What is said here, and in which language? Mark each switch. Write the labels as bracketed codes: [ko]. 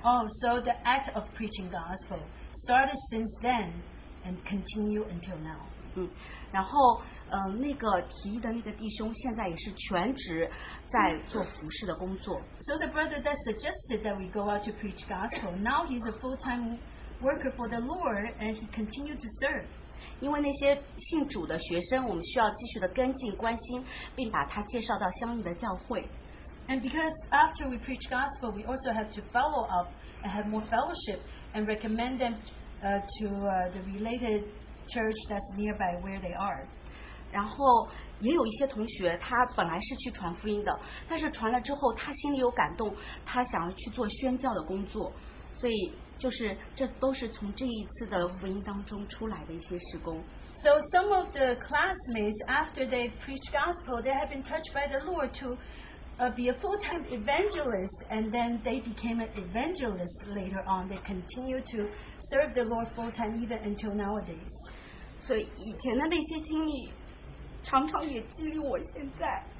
[en] Oh, so the act of preaching gospel started since then and continued until now. [zh] 然后那个提议的那个弟兄现在也是全职在做服事的工作。 [en] So the brother that suggested that we go out to preach gospel, now he's a full-time worker for the Lord, and he continued to serve. [zh] 因为那些信主的学生, 我们需要继续地跟进关心, 并把他介绍到相应的教会。 [en] And because after we preach gospel, we also have to follow up and have more fellowship and recommend them to the related church that's nearby where they are. [zh] 然后也有一些同学, 他本来是去传福音的, 但是传了之后他心里有感动, 他想要去做宣教的工作, 所以 就是这都是从这一次的福音当中出来的一些事工。 [en] So some of the classmates, after they preached gospel, they have been touched by the Lord to be a full-time evangelist, and then they became an evangelist later on. They continue to serve the Lord full-time even until nowadays. [zh] 所以以前的那些经历常常也激励我现在。